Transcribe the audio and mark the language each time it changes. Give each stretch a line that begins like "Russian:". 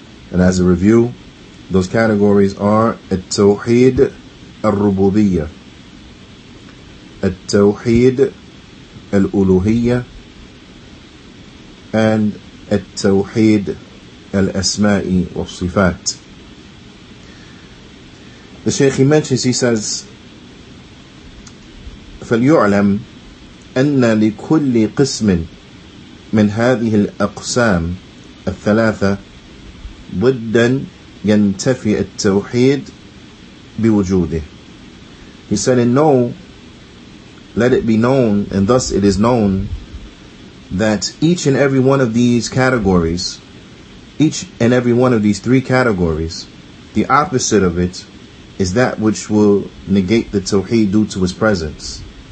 English: And as a review, those categories are التوحيد الربوبية, التوحيد الألوهية, and التوحيد الأسماء والصفات. The Shaykh, he says,
Arabic: فليعلم أن لكل قسم من هذه الأقسام الثلاثة ضدا ينتفي التوحيد بوجوده.
English: He said, and know, let it be known, and thus it is known, that each and every one of these categories, each and every one of these three categories, the opposite of it is that which will negate the Tawheed due to his presence.